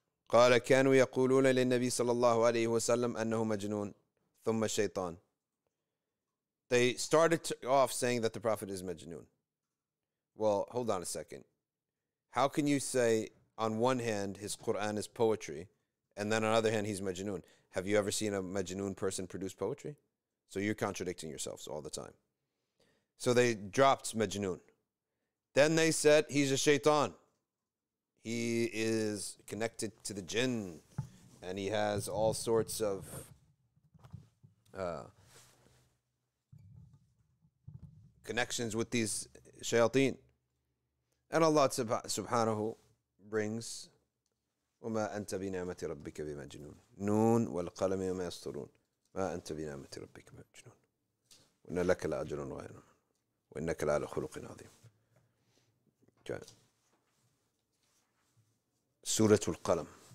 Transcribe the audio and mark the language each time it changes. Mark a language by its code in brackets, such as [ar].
[ar] قال كانوا يقولون للنبي صلى الله عليه وسلم أنه مجنون ثم الشيطان. [en] They started off saying that the Prophet is مجنون. Well, hold on a second. How can you say on one hand his Quran is poetry and then on the other hand he's مجنون? Have you ever seen a مجنون person produce poetry? So you're contradicting yourselves all the time. So they dropped مجنون. Then they said he's a شيطان. He is connected to the jinn, and he has all sorts of connections with these shayateen. And Allah subhanahu brings, [ar] وَمَا أَنْتَ بِنَعْمَةِ رَبِّكَ بِمَجْنُونَ نُون وَالْقَلَمِ وَمَا يَسْطُرُونَ مَا أَنْتَ بِنَعْمَةِ رَبِّكَ بِمَجْنُونَ وَإِنَّ لَكَ لَأَجْرٌ غَيْرٌ وَإِنَّكَ لَعَلَى خُلُقٍ عَظِيمٌ كَانَ Surat al-Qalam.